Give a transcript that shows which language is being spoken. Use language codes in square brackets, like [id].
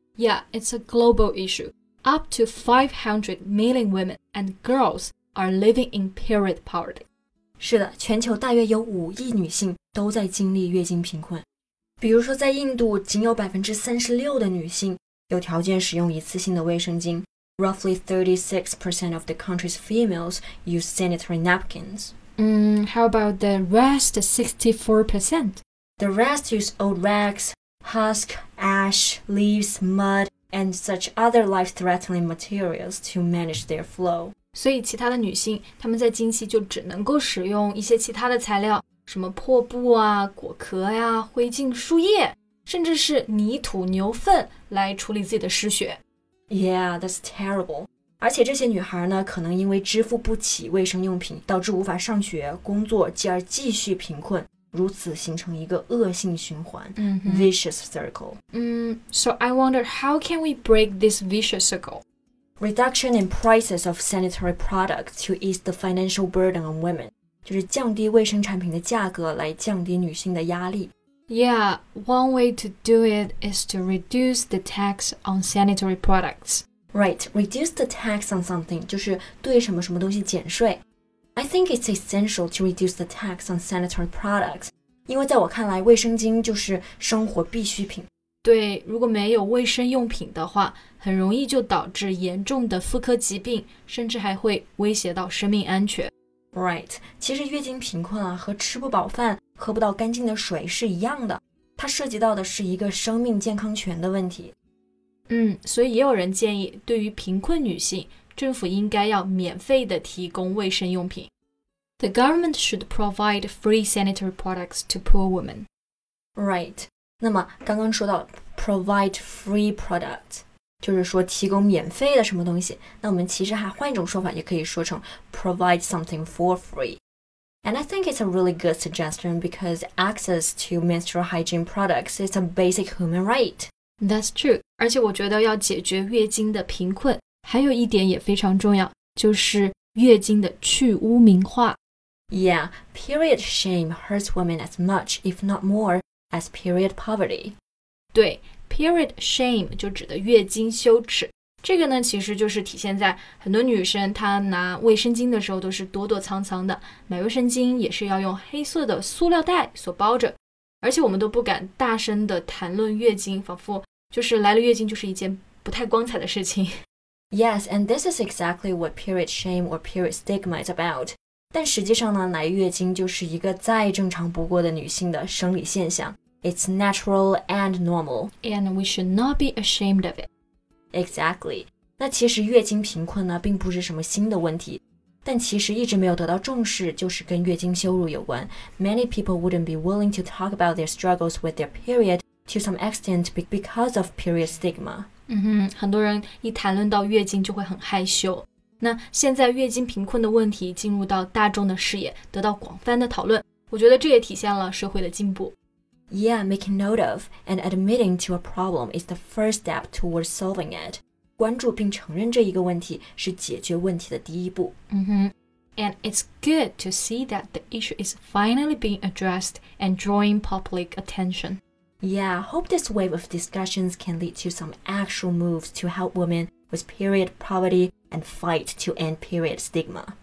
[en] Yeah, it's a global issue. Up to 500 million women and girls are living in period poverty. [zh] 是的，全球大约有5亿女性都在经历月经贫困。比如说在印度，仅有 36% 的女性有条件使用一次性的卫生巾。 [en] Roughly 36% of the country's females use sanitary napkins. How about the rest 64%? The rest use old rags, husk, ash, leaves, mud, and such other life-threatening materials to manage their flow. [zh] 所以其他的女性，她们在经期就只能够使用一些其他的材料。什么破布啊、果壳呀、灰烬、树叶，甚至是泥土、牛粪来处理自己的失血。 Yeah, that's terrible. 而且这些女孩呢，可能因为支付不起卫生用品，导致无法上学、工作，继而继续贫困，如此形成一个恶性循环、 vicious circle. [en] So I wonder how can we break this vicious circle? Reduction in prices of sanitary products to ease the financial burden on women. [zh] 就是降低卫生产品的价格来降低女性的压力。 [en] Yeah, one way to do it is to reduce the tax on sanitary products. Right, reduce the tax on something 就是对什么什么东西减税。 I think it's essential to reduce the tax on sanitary products. [zh] 因为在我看来，卫生巾就是生活必需品。对，如果没有卫生用品的话，很容易就导致严重的妇科疾病，甚至还会威胁到生命安全。 Right, 其实月经贫困啊和吃不饱饭、喝不到干净的水是一样的，它涉及到的是一个生命健康权的问题。所以也有人建议，对于贫困女性，政府应该要免费的提供卫生用品。 [en] The government should provide free sanitary products to poor women. [zh] Right, 那么刚刚说到 provide free product. 就是说提供免费的什么东西，那我们其实还换一种说法，也可以说成 provide something for free. [en] And I think it's a really good suggestion because access to menstrual hygiene products is a basic human right. That's true. [zh] 而且我觉得要解决月经的贫困，还有一点也非常重要，就是月经的去污名化。 [en] Yeah, period shame hurts women as much, if not more, as period poverty. [zh] 对。 Period shame 就指的月经羞耻，这个呢其实就是体现在很多女生她拿卫生巾的时候都是躲躲藏藏的，买卫生巾也是要用黑色的塑料袋所包着，而且我们都不敢大声的谈论月经，仿佛就是来了月经就是一件不太光彩的事情。 [en] Yes, and this is exactly what period shame or period stigma is about. [zh] 但实际上呢，来月经就是一个再正常不过的女性的生理现象。 [en] It's natural and normal. And we should not be ashamed of it. Exactly. [zh] 那其实月经贫困呢并不是什么新的问题，但其实一直没有得到重视就是跟月经羞辱有关。 [en] Many people wouldn't be willing to talk about their struggles with their period to some extent because of period stigma. [zh] 很多人一谈论到月经就会很害羞。那现在月经贫困的问题进入到大众的视野，得到广泛的讨论，我觉得这也体现了社会的进步。 [en] Yeah, making note of and admitting to a problem is the first step towards solving it. [zh] 关注并承认这一个问题是解决问题的第一步。 [en] And it's good to see that the issue is finally being addressed and drawing public attention. Yeah, hope this wave of discussions can lead to some actual moves to help women with period poverty and fight to end period stigma.